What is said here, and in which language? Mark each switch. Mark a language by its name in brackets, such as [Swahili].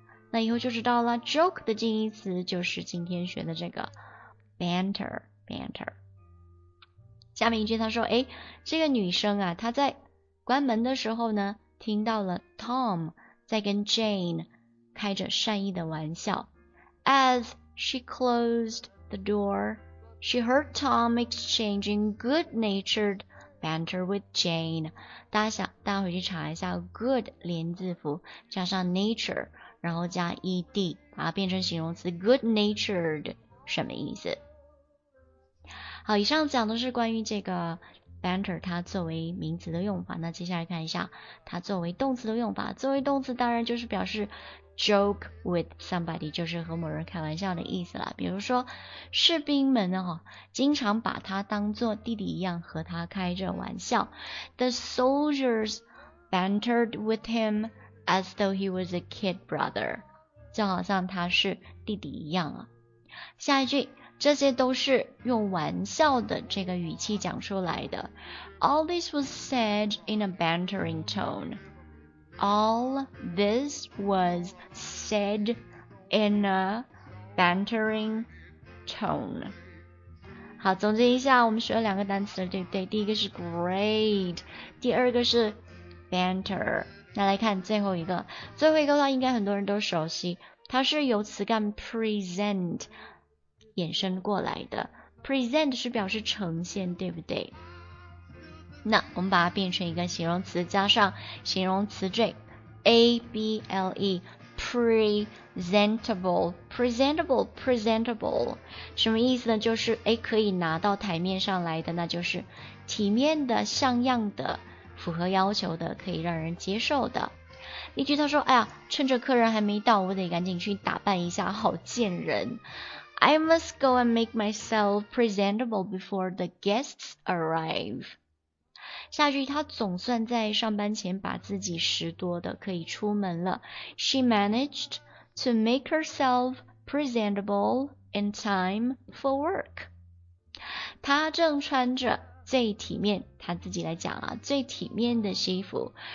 [Chinese] 那以后就知道了 joke 的近义词就是今天学的这个 banter。下面一句他说，诶，这个女生啊，她在关门的时候呢，听到了 Tom 在跟 Jane 开着善意的玩笑。 [English] As she closed the door, she heard Tom exchanging good-natured banter with Jane。 [Chinese] 大家回去查一下 good 连字符加上 nature，然后加 ed， 把它变成形容词 good natured， 什么意思？好，以上讲的是关于这个 banter 它作为名词的用法。那接下来看一下它作为动词的用法。作为动词当然就是表示 [English] joke with somebody， [Chinese] 就是和某人开玩笑的意思了。比如说士兵们呢，经常把他当作弟弟一样和他开着玩笑。 [English] The soldiers bantered with himAs though he was a kid brother， [Chinese] 就好像他是弟弟一样啊。下一句，这些都是用玩笑的这个语气讲出来的。 [English] All this was said in a bantering tone. All this was said in a bantering tone. [Chinese] 好，总结一下，我们学了两个单词，对不对？第一个是 grade， 第二个是 banter。那来看最后一个，最后一个的话应该很多人都熟悉，它是由词干 present 衍生过来的。 present 是表示呈现，对不对？那我们把它变成一个形容词加上形容词缀 able， presentable 什么意思呢？就是可以拿到台面上来的，那就是体面的、像样的、符合要求的、可以让人接受的。例句他说，哎呀，趁着客人还没到，我得赶紧去打扮一下，好见人。 [English] I must go and make myself presentable before the guests arrive。 [Chinese] 下句他总算在上班前把自己拾掇的可以出门了。 [English] She managed to make herself presentable in time for work。 [Chinese] 他正穿着最体面，他自己来讲啊，最体面的西服。